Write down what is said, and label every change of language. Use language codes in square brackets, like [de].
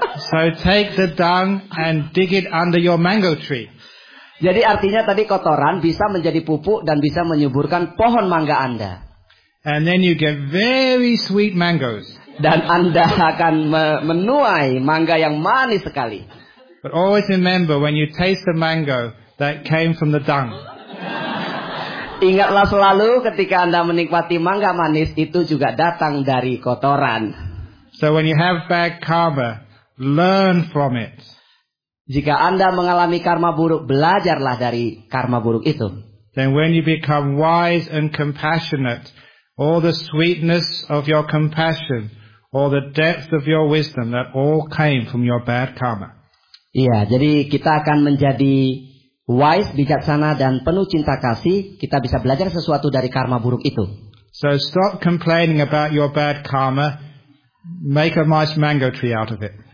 [en] So take the dung and dig it under your mango tree. [id] Jadi artinya tadi kotoran bisa menjadi pupuk dan bisa menyuburkan pohon mangga Anda. [en] And then you get very sweet mangoes. [id] Dan Anda akan menuai mangga yang manis sekali. [en] But always remember when you taste the mango that came from the dung. [id] Ingatlah selalu ketika Anda menikmati mangga manis itu juga datang dari kotoran. [en] So when you have bad karma, learn from it. [id] Jika Anda mengalami karma buruk, belajarlah dari karma buruk itu. [en] Then when you become wise and compassionate, all the sweetness of your compassion, all the depth of your wisdom, that all came from your bad karma. [id] Iya, jadi kita akan menjadi wise, bijaksana dan penuh cinta kasih, kita bisa belajar sesuatu dari karma buruk itu. [en] So stop complaining about your bad karma. Make a nice mango tree out of it.